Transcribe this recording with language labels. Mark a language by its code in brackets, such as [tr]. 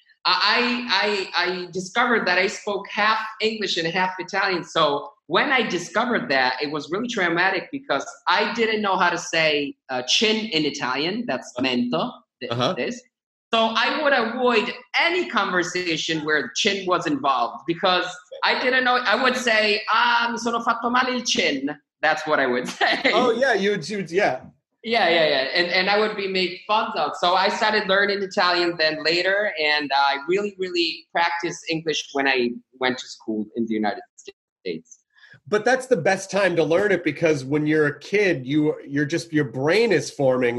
[en] I discovered that I spoke half English and half Italian. So when I discovered that, it was really traumatic because I didn't know how to say chin in Italian. That's mento. So I would avoid any conversation where chin was involved because I didn't know. [it] I would say, mi sono fatto male il chin. [en] That's what I would say. Oh, yeah. You'd. Yeah. And I would be made fun of. So I started learning Italian then later. And I really, really practiced English when I went to school in the United States. But that's the best time to learn it because when you're a kid, you're just, your brain is forming.